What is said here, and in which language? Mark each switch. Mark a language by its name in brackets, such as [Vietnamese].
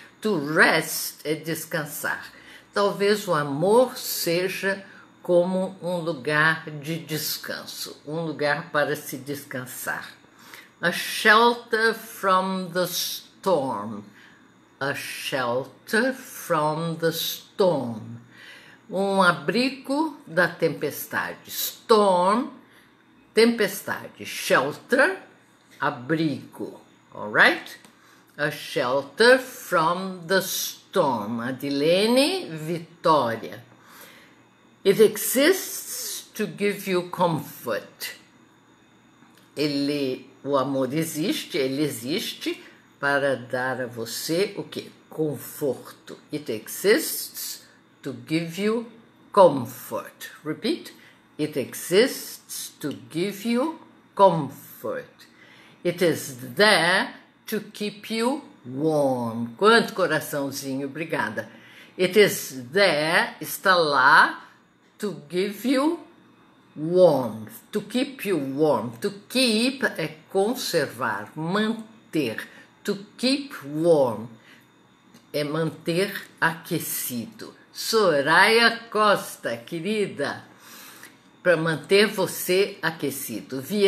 [English] To rest [Portuguese] é descansar. Talvez o amor seja como um lugar de descanso, um lugar para se descansar. [English] A shelter from the storm. A shelter from the storm. [Portuguese] um abrigo da tempestade. [English] Storm, [Portuguese] tempestade. [English] Shelter, [Portuguese] abrigo. [English] All right? A shelter from the storm. Adilene, Vitória. It exists to give you comfort. [Portuguese] O amor existe, ele existe para dar a você o quê? Conforto. [English] It exists to give you comfort. Repeat. It exists to give you comfort. It is there to keep you warm. [Portuguese] Quanto coraçãozinho, obrigada. [English] It is there, [Portuguese] está lá, [English] to give you warmth, to keep you warm. To keep [Portuguese] é conservar, manter. [English] To keep warm [Portuguese] é manter aquecido. Soraya Costa, querida, para manter você aquecido.